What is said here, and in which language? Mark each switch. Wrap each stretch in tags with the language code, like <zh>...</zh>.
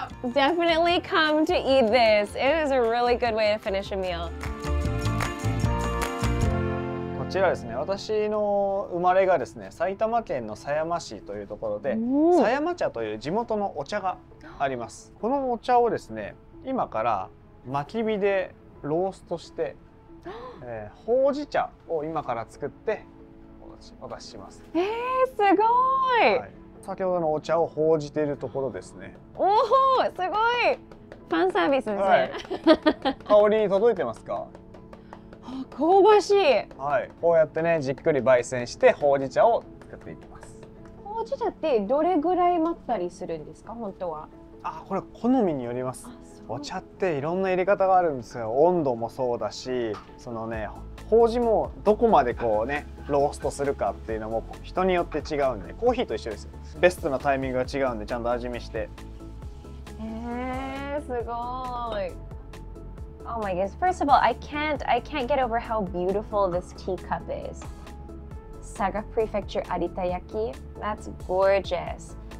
<en>Definitely come to eat this. It is a really good way to finish a meal.</en> <ja>こちらですね、私の生まれがですね、埼玉県の狭山市というところで、狭山茶という地元のお茶があります。このお茶をですね、今から薪火でローストして、ほうじ茶を今から作ってお出しします。すごい、はい、先ほどのお茶をほうじているところですね。おお、すごい、ファンサービスですね、はい、香りに届いてますか？香ばしい、はい、こうやってね、じっくり焙煎してほうじ茶を作っていきます。ほうじ茶ってどれぐらい待ったりするんですか、本当は？あ、これ好みによります。お茶っていろんな入れ方があるんですよ。温度もそうだし、そのね、ほうじもどこまでこうね、ローストするかっていうのも人によって違うんで、コーヒーと一緒です。ベストなタイミングが違うんで、ちゃんと味見して。すごい。</ja> <en>Oh my goodness. First of all, I can't get over how beautiful this teacup is. Saga Prefecture Arita Yaki. That's gorgeous.</en>